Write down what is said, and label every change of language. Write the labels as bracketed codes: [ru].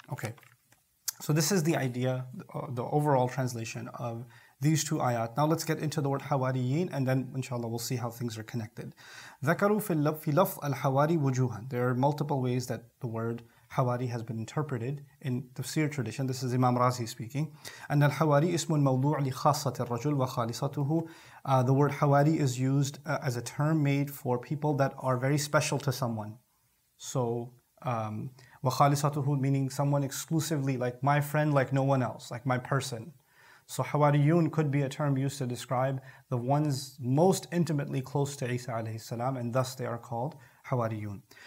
[en] Okay, so this is the idea, the overall translation of these two ayat. Now let's get into the word hawariyin, and then inshallah we'll see how things are connected. [ar] ذَكَرُوا فِي لَفْ الْحَوَارِ وُجُوهًا. [en] There are multiple ways that the word hawari has been interpreted in the tafsir tradition. This is Imam Razi speaking. [ar] أن الحواري اسم الموضوع لخاصة الرجل وخالصته. [en] The word hawari is used as a term made for people that are very special to someone. So, وخالصته meaning someone exclusively, like my friend, like no one else, like my person. So Hawariyun could be a term used to describe the ones most intimately close to Isa alayhi salam, and thus they are called Hawariyun.